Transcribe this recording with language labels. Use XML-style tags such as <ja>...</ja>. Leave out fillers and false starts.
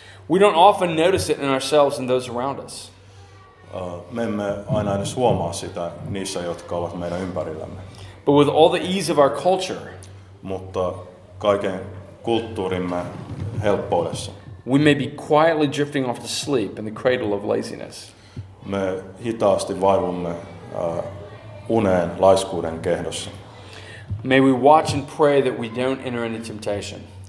<en>We don't often notice it in ourselves and those around us.</en> <fi>Me emme aina edes huomaa sitä niissä, jotka ovat meidän ympärillämme.</fi> <en>But with all the ease of our culture.</en> <fi>Mutta kaiken kulttuurimme helppoudessa.</fi> <en>We may be quietly drifting off to sleep in the cradle of laziness.</en> <fi>me hitaasti vaivumme uneen laiskuuden kehdossa.</fi> <en>May we watch and pray that we don't enter into temptation.</en>